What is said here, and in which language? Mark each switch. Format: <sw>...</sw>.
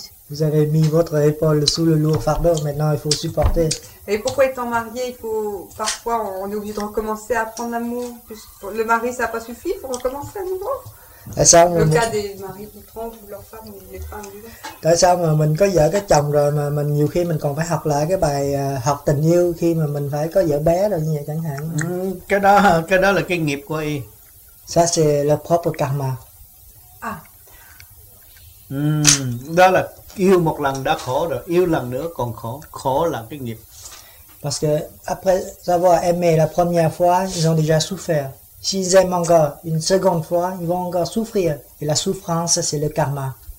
<fr>Vous avez mis votre épaule sous le lourd fardeau, maintenant il faut supporter. Et pourquoi étant marié, il faut parfois on est obligé de recommencer à apprendre l'amour. Le mari, ça n'a pas suffi, il faut recommencer à nouveau. Le cas des maris qui trompent leur femme ou les femmes.</fr> <vi>Tại sao mà mình có vợ có chồng rồi mà mình nhiều khi mình còn phải học lại cái bài học tình yêu khi mà mình phải có vợ bé rồi như vậy chẳng hạn. Cái đó là cái nghiệp của y.</vi> <fr>Ça c'est le propre karma. À.</fr> <vi>Đó là yêu một lần đã khổ rồi, yêu lần nữa còn khổ, khổ là cái nghiệp.</vi> <fr>Parce que après avoir aimé la première fois, ils ont déjà souffert. S'ils aiment encore une seconde fois, ils vont encore souffrir. Et la souffrance, c'est le karma.</fr>